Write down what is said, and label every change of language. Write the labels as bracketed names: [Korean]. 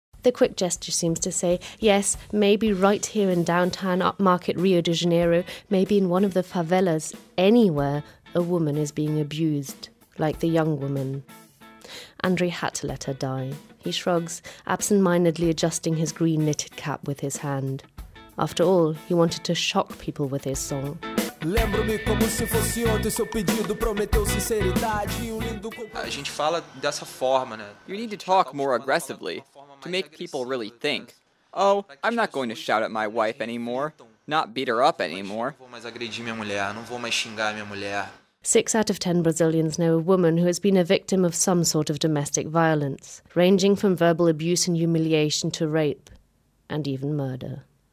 [English] The quick gesture seems to say, yes, maybe right here in downtown upmarket Rio de Janeiro, maybe in one of the favelas, anywhere, a woman is being abused, like the young woman. André had to let her die. He shrugs, absent-mindedly adjusting his green knitted cap with his hand. After all, he wanted to shock people with his song. [Portuguese] Lembro-me como se fosse ontem seu pedido, prometeu sinceridade e um lindo compromisso. A gente fala dessa forma, né? [English] You need to talk more aggressively to make people really think. Oh, I'm not going to shout at my wife anymore, not beat her up anymore. [Portuguese] Não vou mais agredir minha mulher, não vou mais xingar minha mulher. [English] 6 out of 10 Brazilians know a woman who has been a victim of some sort of domestic violence, ranging from verbal abuse and humiliation to rape, and even murder.